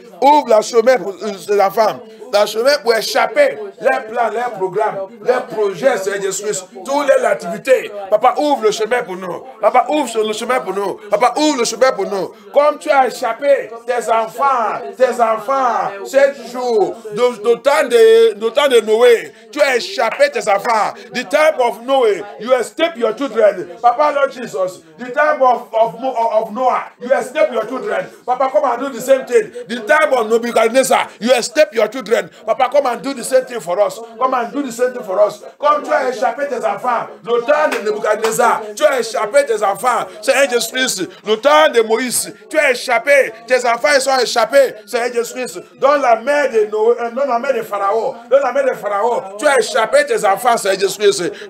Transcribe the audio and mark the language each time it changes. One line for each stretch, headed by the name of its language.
French: Ouvre la chemin pour tes enfants. La chemin pour échapper les plans, les programmes, les projets, Seigneur Jésus Christ. Toutes les activités. Papa, ouvre le chemin pour nous. Papa, ouvre le chemin pour nous. Papa, ouvre le chemin pour nous. Comme tu as échappé tes enfants, 7 jours, de temps de Noé. Tu as échappé tes enfants.
English: The time of Noé, you escape your children. Papa, Lord Jesus, the time of Noah, you escape your children. Papa, come and do the same thing. The time of Nebuchadnezzar, you escape your children. Papa, come and do the same thing for us. Come and do the same thing for us.
French: Come, tu as échappé tes enfants. Le temps de Nebuchadnezzar, tu as échappé tes enfants. Seigneur Jésus Christ, le temps de Moïse, tu as échappé. Tes enfants, ils sont échappés. Seigneur Jésus Christ, dans la mer de Noé, dans la mer de Pharaon, tu as échappé tes enfants, Seigneur Jésus Christ.